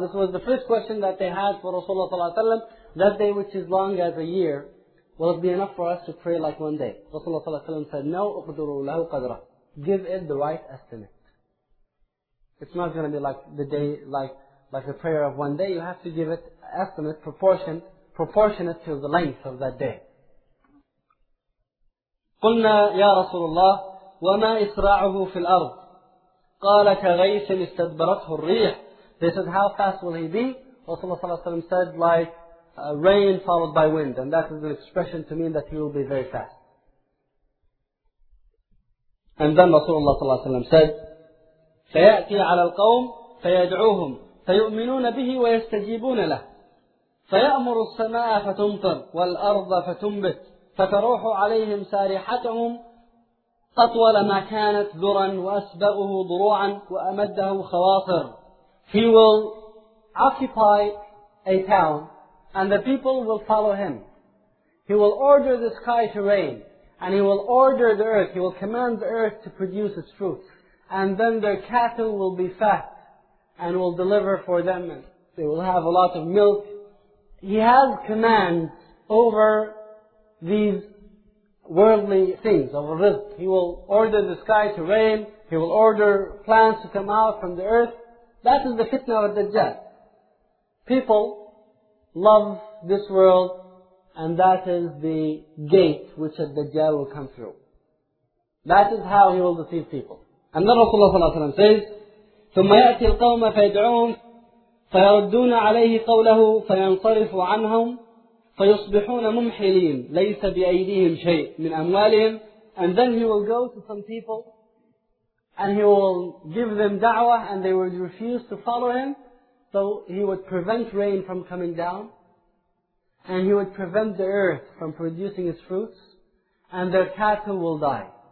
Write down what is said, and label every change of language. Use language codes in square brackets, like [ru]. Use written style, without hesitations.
[en] This was the first question that they had for Rasulullah Sallallahu Alaihi Wasallam. That day which is long as a year, will it be enough for us to pray like one day? Rasulullah Sallallahu Alaihi Wasallam said, no, [ar] اقدروا له قدره. [en] Give it the right estimate. It's not going to be like the day, like a prayer of one day. You have to give it estimate, proportionate to the length of that day. [ar] قلنا يا رسول الله وما إسراعه في الأرض قال كغيث استدبرته الريح. [en] They said, how fast will he be? Rasulullah صلى الله عليه وسلم said, like rain followed by wind. And that is an expression to mean that he will be very fast. And then Rasulullah صلى الله عليه وسلم said, [ar] فيأتي على القوم فيدعوهم فيؤمنون به ويستجيبون له فيأمر السماء فتمطر والأرض فتنبت فتروح عليهم سارحتهم أطول ما كانت ذرا وأسبغه ضروعا وأمده خواصر. [en] He will occupy a town and the people will follow him. He will order the sky to rain. And he will order the earth, he will command the earth to produce its fruit. And then their cattle will be fat and will deliver for them. They will have a lot of milk. He has command over these worldly things, over this. He will order the sky to rain. He will order plants to come out from the earth. That is the fitna of Dajjal. People love this world. And that is the gate which the Dajjal will come through. That is how he will deceive people. And then Rasulullah صلى الله عليه وسلم says, [ar] ثُمَّ يَأْتِي الْقَوْمَ فَيَدْعُونَ فَيَرُدُّونَ عَلَيْهِ قَوْلَهُ فَيَنْصَرِفُ عَنْهُمْ فَيُصْبِحُونَ مُمْحِلِينَ لَيْسَ بِأَيْدِهِمْ شَيْءٍ مِنْ أَمْوَالِهِمْ. [en] And then he will go to some people and he will give them da'wah and they will refuse to follow him. So he would prevent rain from coming down. And he would prevent the earth from producing its fruits, and their cattle will die.